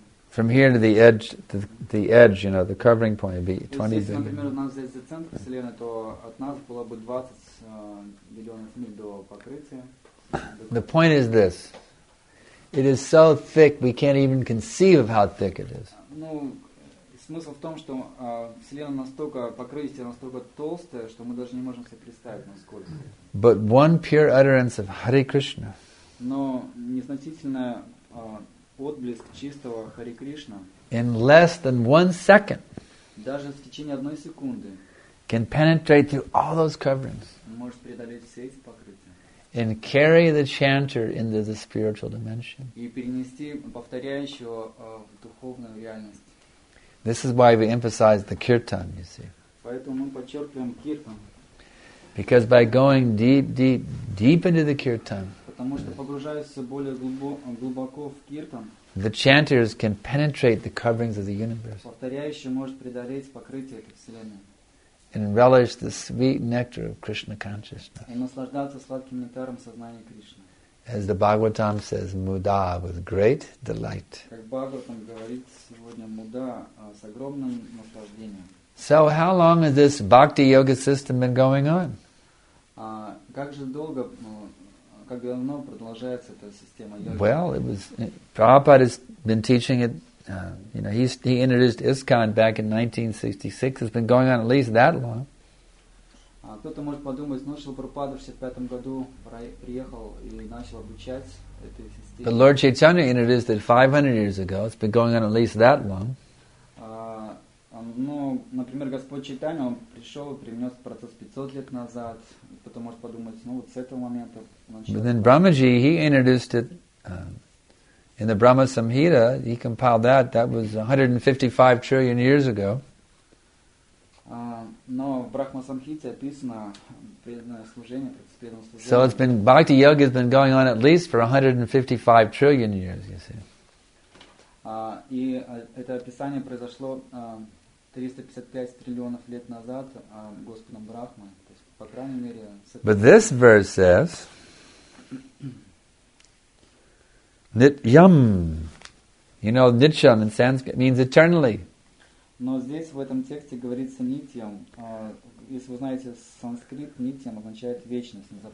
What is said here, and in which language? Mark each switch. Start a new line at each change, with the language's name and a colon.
English: From here to the edge, the edge, you know, the covering point would be 20 billion miles. The point is this. It is so thick we can't even conceive of how thick it is.
Russian: Ну, смысл в том, что Вселенная настолько покрытие настолько толстое, что мы даже не можем себе представить, насколько.
English: But one pure utterance of Hare Krishna.
Russian: Но незначительный отблеск чистого Хари Кришна.
English: In less than 1 second.
Russian: Даже в течение одной секунды.
English: Can penetrate through all those coverings.
Russian: Может преодолеть все эти покрытия.
English: And carry the chanter into the spiritual dimension.
Russian: И перенести повторяющего в духовную реальность.
English: This is why we emphasize the kirtan, you see.
Russian: Поэтому мы подчеркиваем kirtan.
English: Because by going deep, deep, deep into the kirtan.
Russian: Потому что погружаясь все более глубоко в kirtan.
English: The chanters can penetrate the coverings of the universe.
Russian: Повторяющий может преодолеть покрытие этой вселенной.
English: And relish the sweet nectar of Krishna consciousness.
Russian: И наслаждаться сладким нектаром сознания Кришны.
English: As the Bhagavatam says, "Muda with great delight."
Russian: Как Бхагаватам говорит сегодня муда с огромным наслаждением.
English: So how long has this bhakti yoga system been going on?
Russian: Как же долго, как давно продолжается эта система йоги?
English: Well, it was Prabhupada has been teaching it. You know, he introduced ISKCON back in 1966. It's been going on at least that long.
Russian: Кто-то может подумать, ну, Шрила Прабхупада в 65 году приехал и начал обучать этой системе.
English: But Lord Chaitanya introduced it 500 years ago. It's been going on at least that long.
Russian: Ну, например, Господь Чайтанья, он пришел и принес процесс 500 лет назад. Кто-то может подумать, ну, вот с этого момента начал.
English: But then Brahmaji, he introduced it. In the Brahma Samhita, he compiled that. That was 155 trillion years ago.
Russian: Но в Брахма Самхите описано преданное служение, преданное служение.
English: So it's been Bhakti Yoga has been going on at least for 155 trillion years, you see.
Russian: И это описание произошло 355 триллионов лет назад Господом Брахмой. То есть, по крайней мере,
English: But this verse says.
Sanskrit: Nityam.
English: You know, Nityam in Sanskrit means eternally.
Russian: Но здесь в этом тексте говорится Nityam. Если вы знаете санскрит, Nityam означает вечность.